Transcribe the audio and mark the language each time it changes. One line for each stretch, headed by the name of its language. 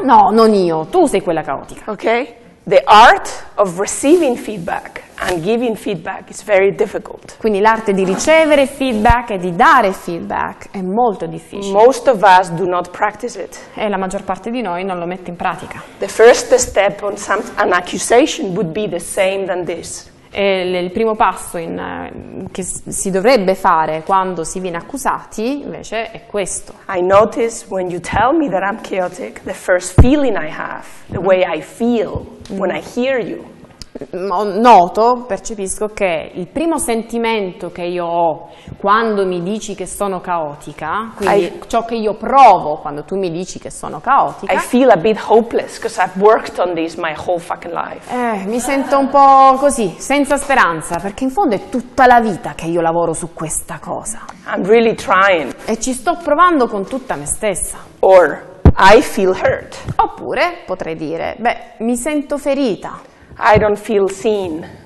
Italian: No, non io, tu sei quella caotica.
English: Okay? The art of receiving feedback and giving feedback is very difficult.
Italian: Quindi l'arte di ricevere feedback e di dare feedback è molto difficile.
English: Most of us do not practice it.
Italian: E la maggior parte di noi non lo mette in pratica.
English: The first step on some, an accusation would be the same than this.
Italian: E il primo passo che si dovrebbe fare quando si viene accusati invece è questo.
English: I notice when you tell me that I'm chaotic, the first feeling I have, the way I feel when I hear you.
Italian: Noto, percepisco che il primo sentimento che io ho quando mi dici che sono caotica, quindi ciò che io provo quando tu mi dici che sono caotica,
English: I feel a bit hopeless because I've worked on this my whole fucking life.
Italian: Mi sento un po' così, senza speranza, perché in fondo è tutta la vita che io lavoro su questa cosa.
English: I'm really trying.
Italian: E ci sto provando con tutta me stessa.
English: Or I feel hurt.
Italian: Oppure potrei dire, beh, mi sento ferita.
English: I don't feel seen.